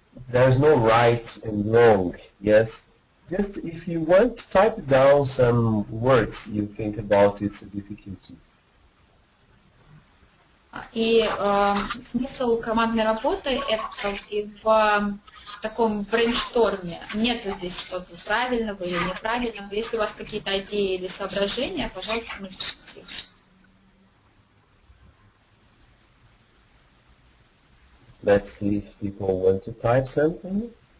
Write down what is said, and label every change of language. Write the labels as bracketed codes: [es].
[en] There's no right and wrong, yes? Just if you want, type down some words you think about its difficulty. [ru] И смысл командной работы – это в таком брейншторме. Нет здесь что-то правильного или неправильного. Если у вас какие-то идеи или соображения, пожалуйста, напишите. [en] Let's see if people want to type something.